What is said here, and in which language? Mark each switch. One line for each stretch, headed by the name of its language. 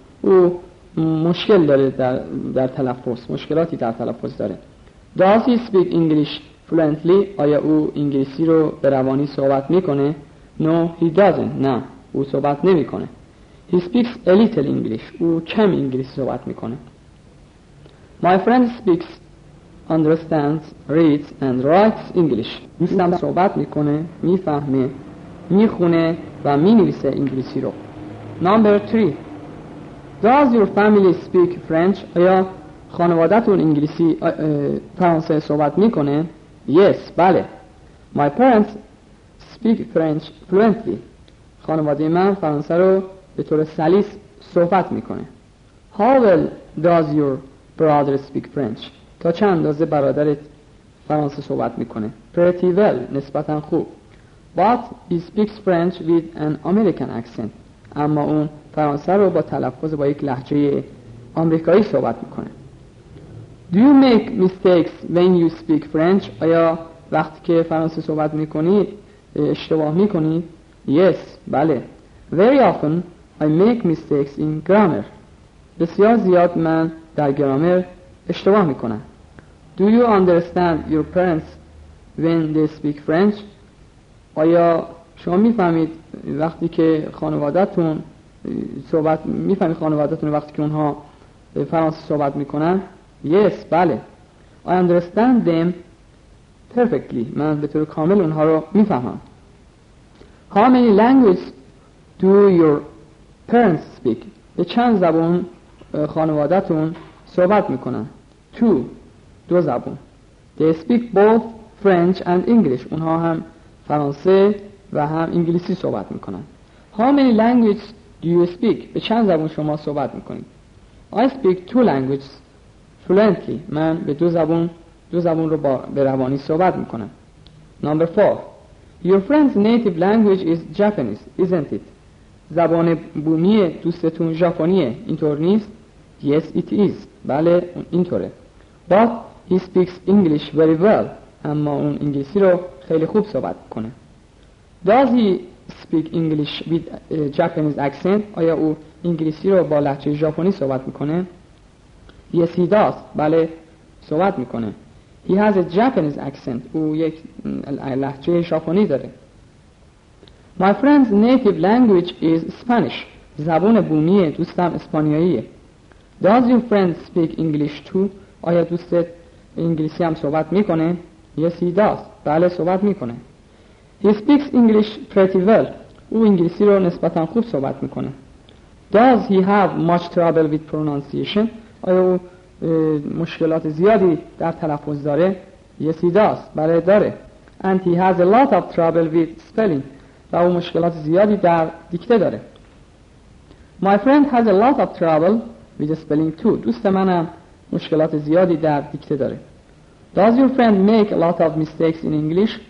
Persian: او مشکل داره در تلفظ. مشکلاتی در تلفظ داره.
English: Does he speak English fluently?
Persian: آیا او انگلیسی رو به روانی صحبت میکنه؟
English: No, he doesn't.
Persian: نه. او صحبت نمی کنه.
English: He speaks a little English.
Persian: او کم انگلیسی صحبت می کنه.
English: My friend speaks, understands, reads and writes English.
Persian: دوستم صحبت می کنه، می فهمه، می خونه و می نویسه انگلیسی رو.
English: Number three. Does your family speak French?
Persian: آیا خانوادتون انگلیسی فرانسه صحبت می کنه؟ Yes, بله.
English: My parents speak French fluently.
Persian: خانواده من فرانسه رو به طور سلیس صحبت میکنه.
English: How well does your brother speak French?
Persian: تا چه اندازه برادرت فرانسه صحبت میکنه؟
English: Pretty well.
Persian: نسبتاً خوب.
English: But he speaks French with an American accent.
Persian: اما اون فرانسه رو با تلفظ با یک لهجه آمریکایی صحبت میکنه.
English: Do you make mistakes when you speak French?
Persian: آیا وقتی که فرانسه صحبت میکنی اشتباه میکنی؟ Yes, بله.
English: Very often I make mistakes in grammar.
Persian: بسیار زیاد من در گرامر اشتباه میکنم.
English: Do you understand your parents when they speak French?
Persian: آیا شما میفهمید وقتی که خانوادتون صحبت میفهمید خانوادتون وقتی که اونها فرانسه صحبت میکنن؟ Yes, بله.
English: I understand them perfectly.
Persian: من به طور کامل اونها رو میفهمم.
English: How many languages do your parents speak?
Persian: به چند زبان خانوادتون صحبت میکنن؟ دو زبان.
English: They speak both French and English.
Persian: اونها هم فرانسه و هم انگلیسی صحبت میکنن.
English: How many languages do you speak?
Persian: به چند زبان شما صحبت میکنید؟
English: I speak two languages fluently.
Persian: من به دو زبان رو به روانی صحبت میکنم.
English: Number four. Your friend's native language is Japanese, isn't it?
Persian: زبان بومی دوستتون ژاپنیه، اینطور نیست؟
English: Yes, it is.
Persian: بله، اینطوره.
English: But he speaks English very well.
Persian: اما اون انگلیسی رو خیلی خوب صحبت کنه.
English: Does he speak English with Japanese accent?
Persian: آیا او انگلیسی رو با لهجه ژاپنی صحبت میکنه؟
English: Yes, he does.
Persian: بله، صحبت میکنه.
English: He has a Japanese accent.
Persian: او یک لهجه ژاپنی داره.
English: My friend's native language is Spanish.
Persian: زبان بومی دوستم اسپانیاییه.
English: Does your friend speak English too?
Persian: آیا دوستت انگلیسی هم صحبت میکنه؟
English: Yes, he does.
Persian: بله صحبت میکنه.
English: He speaks English pretty well.
Persian: او انگلیسی رو نسبتا خوب صحبت میکنه.
English: Does he have much trouble with pronunciation?
Persian: آیا او مشکلات زیادی در تلفظ داره؟
English: Yes, he does.
Persian: بله داره.
English: And he has a lot of trouble with spelling.
Persian: و او مشکلات زیادی در دیکته داره.
English: My friend has a lot of trouble with spelling too.
Persian: دوست منم مشکلات زیادی در دیکته داره.
English: Does your friend make a lot of mistakes in English?